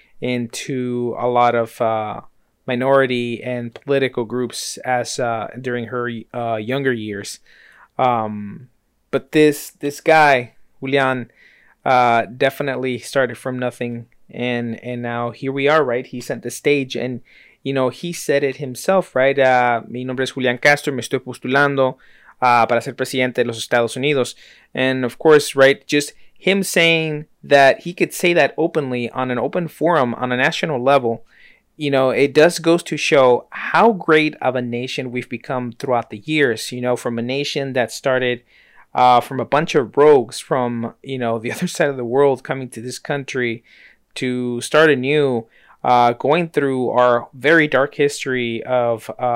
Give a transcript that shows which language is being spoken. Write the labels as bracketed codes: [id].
[en] into a lot of minority and political groups as during her younger years. But this guy, Julian, definitely started from nothing. And now here we are, right? He set the stage. And, you know, he said it himself, right? [es] Mi nombre es Julian Castro. Me estoy postulando para ser presidente de los Estados Unidos. [en] And, of course, right, just him saying that he could say that openly on an open forum on a national level, you know, it does goes to show how great of a nation we've become throughout the years, you know, from a nation that started from a bunch of rogues from, you know, the other side of the world coming to this country to start anew, going through our very dark history of